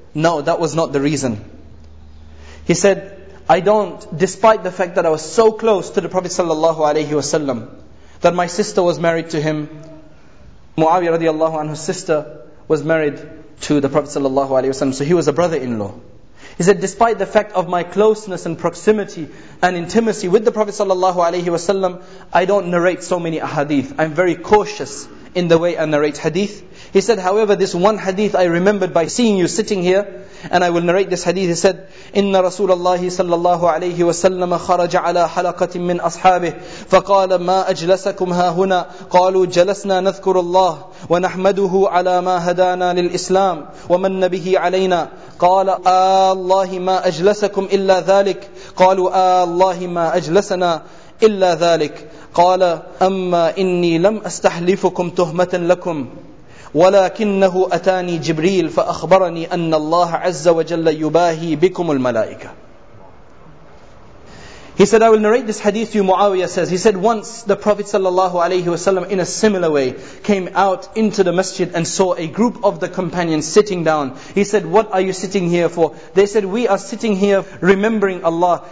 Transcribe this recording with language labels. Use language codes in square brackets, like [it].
[en] No, that was not the reason. He said, I don't, despite the fact that I was so close to the Prophet sallallahu alaihi wasallam, that my sister was married to him, Muawiyah radiallahu anhu's sister was married to the Prophet sallallahu alaihi wasallam, so he was a brother-in-law. He said, despite the fact of my closeness and proximity and intimacy with the Prophet sallallahu alaihi wasallam, I don't narrate so many ahadith. I'm very cautious in the way I narrate hadith. He said, however, this one hadith I remembered by seeing you sitting here, and I will narrate this hadith. He said, [ar] إن رسول الله صلى الله عليه وسلم خرج على حلقة من أصحابه فقال ما أجلسكم ها هنا قالوا جلسنا نذكر الله ونحمده على ما هدانا للإسلام ومن به علينا قال الله ما أجلسكم إلا ذلك قالوا الله ما أجلسنا إلا ذلك قال أما إني لم أستحلفكم تهمة لكم ولكنه أتاني جبريل فأخبرني أن الله عز وجل يباهي بكم الملائكة. [en] He said, I will narrate this hadith to you. Muawiyah says, he said, once the Prophet sallallahu alaihi wasallam in a similar way came out into the masjid and saw a group of the companions sitting down. He said, what are you sitting here for? They said, we are sitting here remembering Allah.